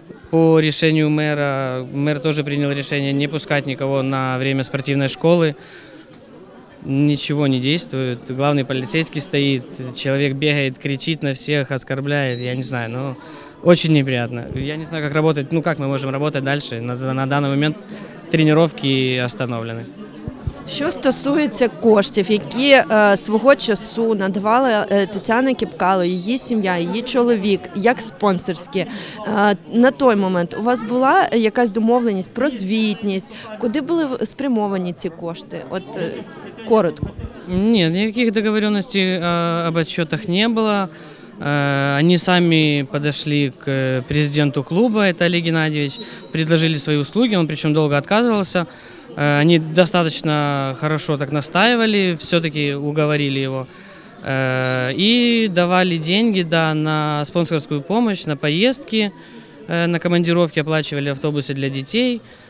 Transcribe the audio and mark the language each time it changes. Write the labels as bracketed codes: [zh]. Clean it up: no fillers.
[ru] По решению мэра, мэр тоже принял решение не пускать никого на время спортивной школы. Ничего не действует. Главный полицейский стоит, человек бегает, кричит на всех, оскорбляет. Я не знаю, но очень неприятно. Я не знаю, как работать. Ну, как мы можем работать дальше? На данный момент тренировки остановлены. [uk] Що стосується коштів, які свого часу надавала Тетяна Кіпкало, її сім'я, її чоловік, як спонсорські, на той момент у вас була якась домовленість про звітність, куди були спрямовані ці кошти? От коротко. Ні, ніяких [ru] договоренностей об отчетах [uk] не було. [ru] Они сами подошли к президенту клуба, это Олег Геннадьевич, предложили свои услуги, он причем долго отказывался. Они достаточно хорошо так настаивали, все-таки уговорили его. И давали деньги, да, на спонсорскую помощь, на поездки, на командировки, оплачивали автобусы для детей.